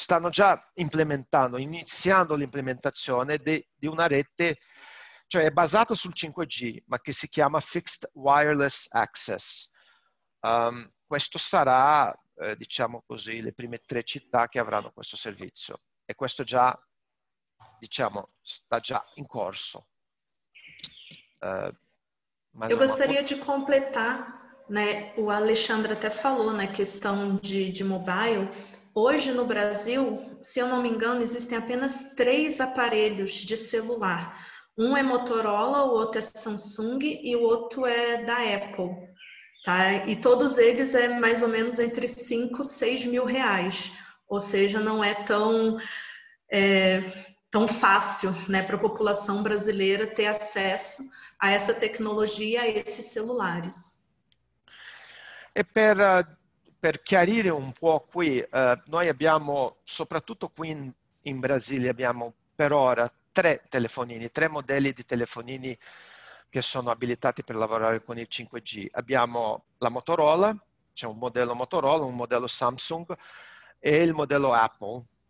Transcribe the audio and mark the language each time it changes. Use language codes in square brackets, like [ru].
[it] già implementando, iniziando l'implementazione di una rete, cioè è basata sul 5G, ma che si chiama Fixed Wireless Access. Questo sarà, diciamo così, le prime 3 città che avranno questo servizio. E questo già, diciamo, sta già in corso. [pt] Eu gostaria di completar, né, o Alexandre até falou, né, questão de mobile. Hoje no Brasil, se eu não me engano, existem apenas 3 aparelhos de celular. Um é Motorola, o outro é Samsung e o outro é da Apple. Tá? E todos eles é mais ou menos entre 5 e 6 mil reais. Ou seja, não é tão fácil, né, para a população brasileira ter acesso a essa tecnologia, a esses celulares. [it] E per chiarire un po' qui, noi abbiamo, soprattutto qui in Brasile, abbiamo per ora 3 telefonini, 3 modelli di telefonini che sono abilitati per lavorare con il 5G. Abbiamo la Motorola, c'è un modello Motorola, un modello Samsung e il modello Apple.